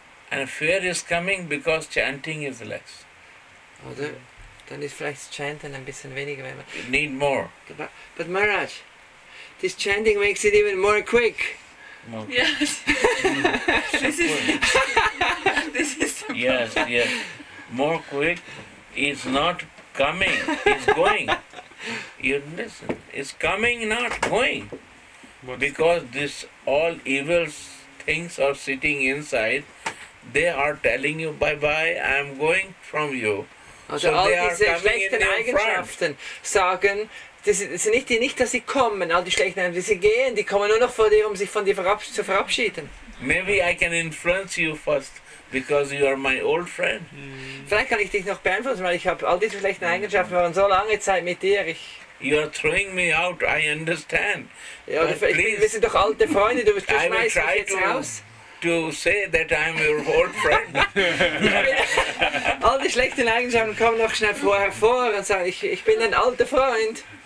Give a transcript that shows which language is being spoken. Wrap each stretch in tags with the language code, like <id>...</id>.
<en>And fear is coming because chanting is less.</en> <de>Oder dann ist vielleicht chanten ein bisschen weniger, wenn man.</de> <en>You need more. But Maharaj, this chanting makes it even more quick. Okay. Yes. This is the problem. Yes, yes. More quick is not coming. It's going. You listen. It's coming, not going. Because this all evil things are sitting inside. They are telling you, bye-bye, I am going from you.</en> <de>Also all diese schlechten Eigenschaften sagen, das sind nicht, dass sie kommen, all die schlechten Eigenschaften, sie gehen, die kommen nur noch vor dir, um sich von dir zu verabschieden.</de> <en>Maybe I can influence you first because you are my old friend.</en> <de>Vielleicht kann ich dich noch beeinflussen, weil ich habe all diese schlechten Eigenschaften, waren so lange Zeit mit dir.</de> <en>You are throwing me out, I understand.</en> <de>Ja, wir sind doch alte Freunde, du schmeißt mich jetzt raus.</de> <en>To say that I'm your old friend.</en> <de>All die schlechten Eigenschaften kommen noch schnell hervor und sagen, ich bin ein alter Freund.</de>